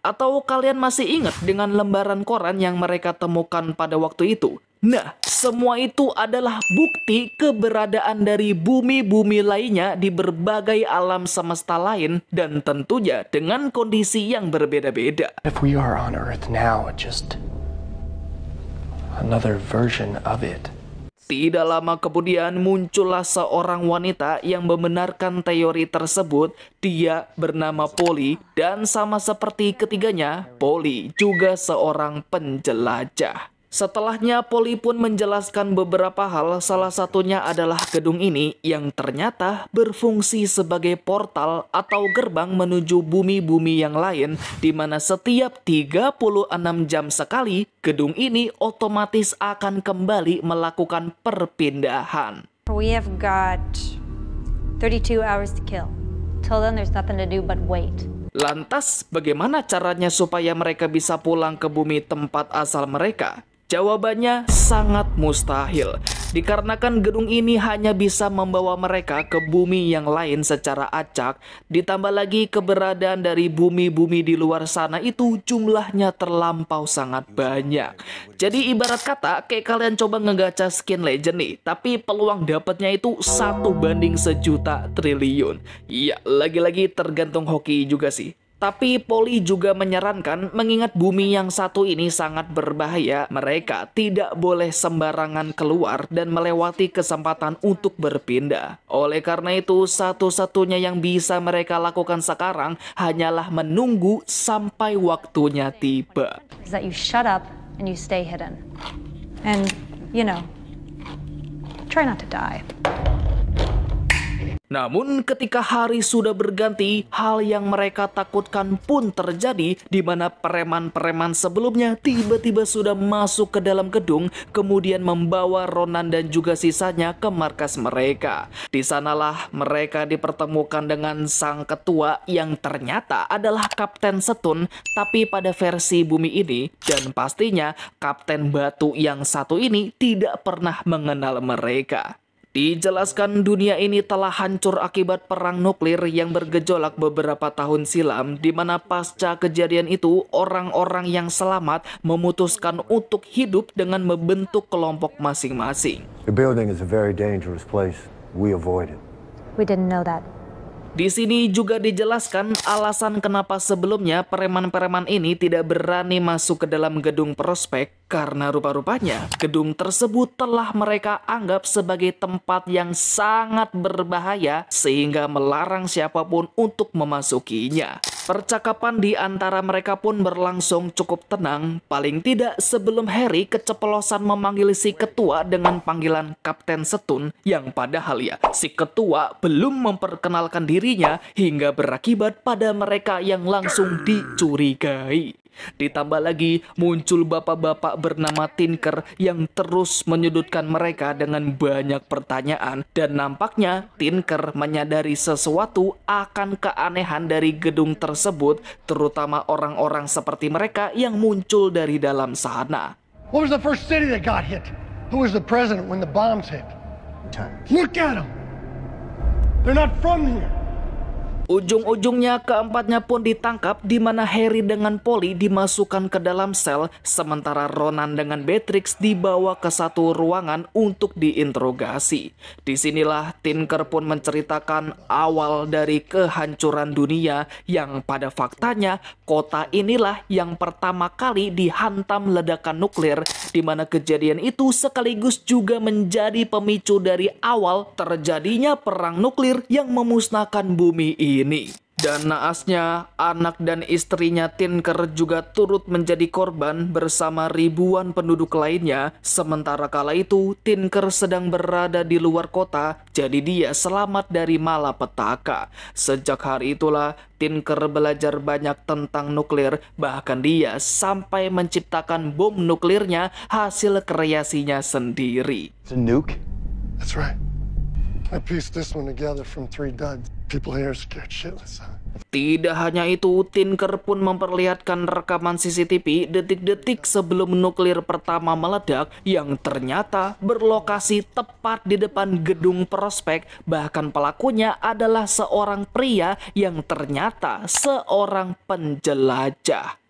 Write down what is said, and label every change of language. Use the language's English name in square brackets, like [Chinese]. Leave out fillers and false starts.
[Indonesian] Atau kalian masih ingat dengan lembaran koran yang mereka temukan pada waktu itu? Nah, semua itu adalah bukti keberadaan dari bumi-bumi lainnya di berbagai alam semesta lain dan tentunya dengan kondisi yang berbeda-beda. [English] If we are on Earth now, just another version of it. [Indonesian] Tidak lama kemudian muncullah seorang wanita yang membenarkan teori tersebut. Dia bernama Polly dan sama seperti ketiganya, Polly juga seorang penjelajah. Setelahnya Polly pun menjelaskan beberapa hal, salah satunya adalah gedung ini yang ternyata berfungsi sebagai portal atau gerbang menuju bumi-bumi yang lain, di mana setiap 36 jam sekali gedung ini otomatis akan kembali melakukan perpindahan. [English] We have got 32 hours to kill. Till then there's nothing to do but wait. [Indonesian] Lantas, bagaimana caranya supaya mereka bisa pulang ke bumi tempat asal mereka? Jawabannya sangat mustahil, dikarenakan gedung ini hanya bisa membawa mereka ke bumi yang lain secara acak, ditambah lagi keberadaan dari bumi-bumi di luar sana itu jumlahnya terlampau sangat banyak. Jadi ibarat kata, kayak kalian coba ngegacha skin legend nih, tapi peluang dapetnya itu 1 banding 1 juta triliun. Iya, lagi-lagi tergantung hoki juga sih. Tapi Poli juga menyarankan, mengingat bumi yang satu ini sangat berbahaya, mereka tidak boleh sembarangan keluar dan melewati kesempatan untuk berpindah. Oleh karena itu, satu-satunya yang bisa mereka lakukan sekarang hanyalah menunggu sampai waktunya tiba. [English] That you shut up and you stay hidden. And, you know, try not to die. [Indonesian] Namun ketika hari sudah berganti, hal yang mereka takutkan pun terjadi, di mana preman-preman sebelumnya tiba-tiba sudah masuk ke dalam gedung, kemudian membawa Ronan dan juga sisanya ke markas mereka. Di sanalah mereka dipertemukan dengan sang ketua yang ternyata adalah Kapten Setun, tapi pada versi bumi ini, dan pastinya Kapten Batu yang satu ini tidak pernah mengenal mereka. Dijelaskan dunia ini telah hancur akibat perang nuklir yang bergejolak beberapa tahun silam, di mana pasca kejadian itu, orang-orang yang selamat memutuskan untuk hidup dengan membentuk kelompok masing-masing. [English] The building is a very dangerous place. We avoid it. We didn't know that. [Indonesian] Di sini juga dijelaskan alasan kenapa sebelumnya preman-preman ini tidak berani masuk ke dalam gedung Prospek, karena rupa-rupanya gedung tersebut telah mereka anggap sebagai tempat yang sangat berbahaya sehingga melarang siapapun untuk memasukinya. Percakapan di antara mereka pun berlangsung cukup tenang, paling tidak sebelum Harry keceplosan memanggil si ketua dengan panggilan Kapten Setun, yang padahal ya, si ketua belum memperkenalkan dirinya hingga berakibat pada mereka yang langsung dicurigai. Ditambah lagi, muncul bapak-bapak bernama Tinker yang terus menyudutkan mereka dengan banyak pertanyaan. Dan nampaknya, Tinker menyadari sesuatu akan keanehan dari gedung tersebut, terutama orang-orang seperti mereka yang muncul dari dalam sana. [English] What was the first city that got hit? Who was the president when the bombs hit? Look at them! They're not from here! [Indonesian] Ujung-ujungnya keempatnya pun ditangkap, di mana Harry dengan Polly dimasukkan ke dalam sel, sementara Ronan dengan Beatrix dibawa ke satu ruangan untuk diinterogasi. Disinilah Tinker pun menceritakan awal dari kehancuran dunia, yang pada faktanya kota inilah yang pertama kali dihantam ledakan nuklir, di mana kejadian itu sekaligus juga menjadi pemicu dari awal terjadinya perang nuklir yang memusnahkan bumi ini. Dan naasnya, anak dan istrinya Tinker juga turut menjadi korban bersama ribuan penduduk lainnya. Sementara kala itu, Tinker sedang berada di luar kota, jadi dia selamat dari malapetaka. Sejak hari itulah, Tinker belajar banyak tentang nuklir, bahkan dia sampai menciptakan bom nuklirnya hasil kreasinya sendiri. [English] It's a nuke? That's right. I pieced this one together from 3 duds. People here are scared shitless. [Indonesian] Tidak hanya itu, Tinker pun memperlihatkan rekaman CCTV detik-detik sebelum nuklir pertama meledak yang ternyata berlokasi tepat di depan gedung Prospek, bahkan pelakunya adalah seorang pria yang ternyata seorang penjelajah.